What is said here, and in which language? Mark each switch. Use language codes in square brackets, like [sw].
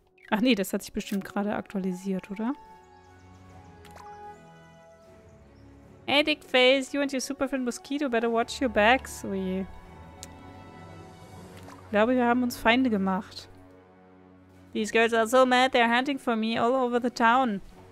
[de] Ach nee, das hat sich bestimmt gerade aktualisiert, oder? [en] Hey, Dickface, you and your superfriend Mosquito better watch your backs. [de] Oh je. Ich glaube, wir haben uns Feinde gemacht. [en] These girls are so mad, they're hunting for me all over the town.